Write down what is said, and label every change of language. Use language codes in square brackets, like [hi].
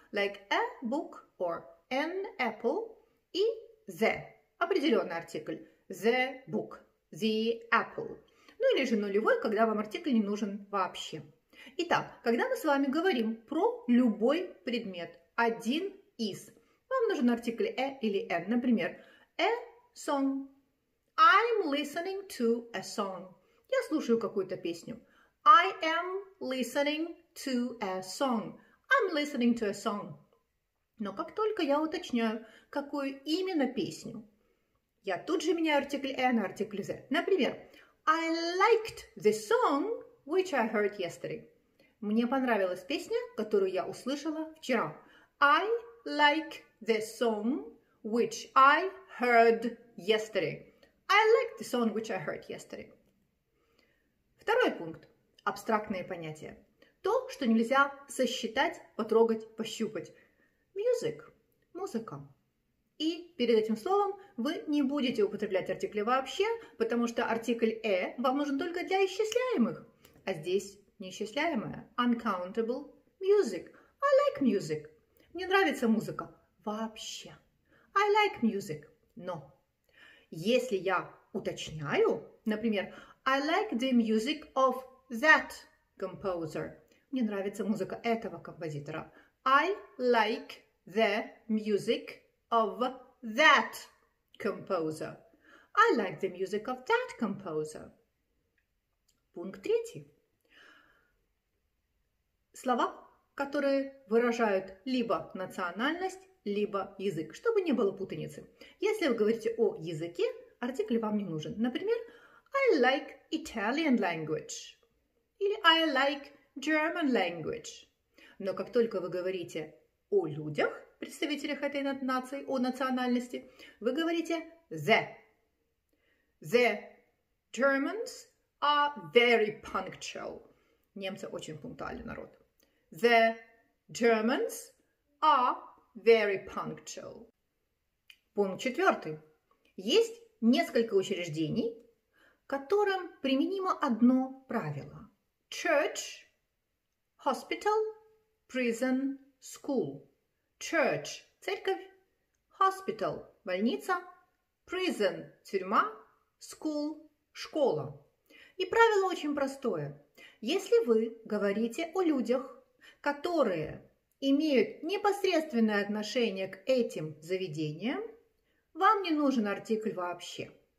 [en] Like a book or an apple. И the. [ru] Определенный артикль. [en] The book. The apple. [ru] Ну или же нулевой, когда вам артикль не нужен вообще. Итак, когда мы с вами говорим про любой предмет, один из, вам нужен артикль a или an. Например, a song. [en] I'm listening to a song. [ru] Я слушаю какую-то песню. [en] I am listening to a song. I'm listening to a song. [ru] Но как только я уточняю, какую именно песню, я тут же меняю артикль a на артикль z. [en] Например, I liked the song which I heard yesterday. [ru] Мне понравилась песня, которую я услышала вчера. [en] I like the song which I heard yesterday. I liked the song which I heard yesterday. [ru] Второй пункт. Абстрактные понятия. То, что нельзя сосчитать, потрогать, пощупать. [en] Music. [ru] Музыка. И перед этим словом вы не будете употреблять артикли вообще, потому что артикль «э» вам нужен только для исчисляемых. А здесь неисчисляемое. [en] Uncountable. Music. I like music. [ru] Мне нравится музыка. Вообще. [en] I like music. [ru] Но если я уточняю, например, [en] I like the music of that composer. [ru] Мне нравится музыка этого композитора. [en] I like the music of that composer. I like the music of that composer. [ru] Пункт третий. Слова, которые выражают либо национальность, либо язык, чтобы не было путаницы. Если вы говорите о языке, артикль вам не нужен. [en] Например, I like Italian language. Или I like German language. [ru] Но как только вы говорите о людях, представителях этой нации, о национальности, вы говорите the. [en] The Germans are very punctual. [ru] Немцы очень пунктуальный народ. [en] The Germans are very punctual. [ru] Пункт четвертый. Есть несколько учреждений, которым применимо одно правило. [en] Church, hospital, prison, school. [ru] Church – церковь, hospital – больница, prison – тюрьма, school – школа. И правило очень простое. Если вы говорите о людях, которые имеют непосредственное отношение к этим заведениям, вам не нужен артикль вообще.